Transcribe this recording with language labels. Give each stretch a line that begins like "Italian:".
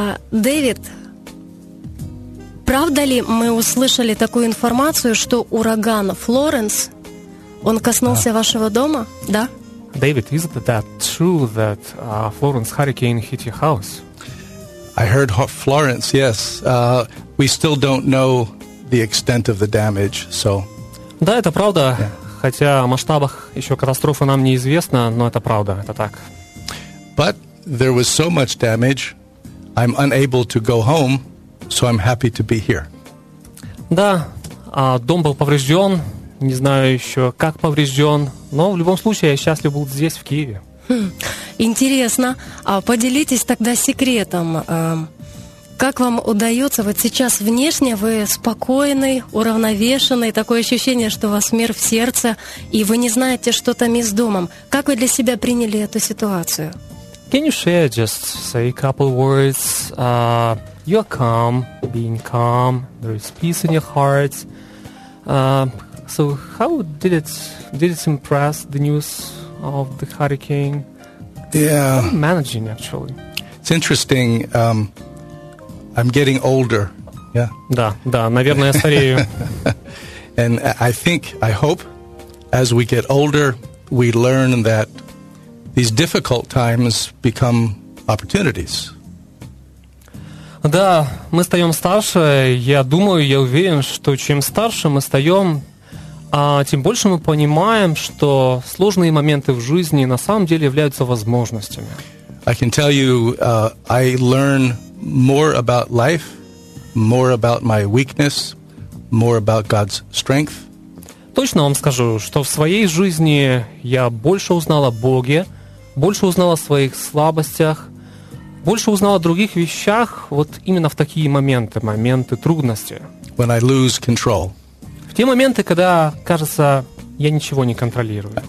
Russian: Дэвид, правда ли мы услышали такую информацию, что ураган Флоренс, он коснулся вашего дома? Да?
English: Дэвид, is it that true that Florence hurricane hit your house? I heard Florence, yes. We still don't know the extent of the damage, so...
Russian: Да, это правда, хотя о масштабах еще катастрофы нам неизвестно, но это правда, это так.
English: But there was so much damage, I'm unable to go home, so I'm happy to be here.
Russian: Да, дом был поврежден, не знаю еще как поврежден, но в любом случае я счастлив был здесь, в Киеве. Интересно, а поделитесь тогда секретом, как вам удается, вот сейчас внешне вы спокойный, уравновешенный, такое ощущение, что у вас мир в сердце, и вы не знаете, что там и с домом. Как вы для себя приняли эту ситуацию?
English: Can you share just say a couple words? You're calm, being calm, there is peace in your heart. So how did it impress the news of the hurricane? Yeah. Managing, actually. It's interesting. I'm getting older. Yeah.
Russian: Да, да, наверное, я старею.
English: And I think, I hope, as we get older, we learn that these difficult times become opportunities.
Russian: Да, мы стаем старше. Я думаю, я уверен, что чем старше мы стаем, тем больше мы понимаем, что сложные моменты в жизни на самом деле являются возможностями.
English: I can tell you, I learn more about life, more about my weakness, more about God's strength.
Russian: Точно вам скажу, что в своей жизни я больше узнал о Боге, больше узнал о своих слабостях, больше узнал о других вещах, вот именно в такие моменты, моменты трудности.
English: When I lose control.
Russian: В те моменты, когда, кажется, я ничего не контролирую.